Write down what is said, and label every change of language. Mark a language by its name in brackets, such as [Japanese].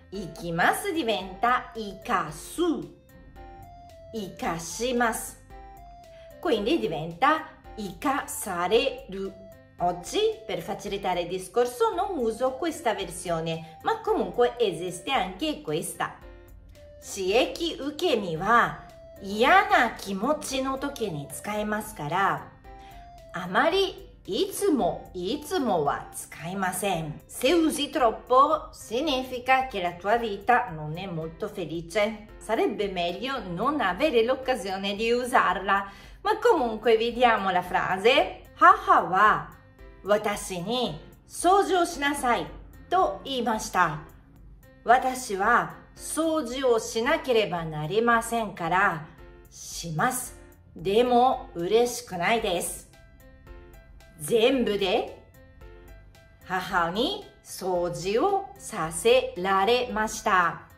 [Italian] Ikimasu diventa ikasu, ikashimasu, quindi diventa ikasareru. Oggi, per facilitare il discorso, non uso questa versione, ma comunque esiste anche questa. [Japanese] Shieki ukemi wa嫌な気持ちの時に使えますから、あまりいつもいつもは使いません。 [Italian] Se usi troppo significa che la tua vita non è molto felice. Sarebbe meglio non avere l'occasione di usarla. Ma comunque vediamo la frase. [Japanese] 母は私に掃除をしなさいと言いました。私は掃除をしなければなりませんから、します。でも嬉しくないです。全部で母に掃除をさせられました。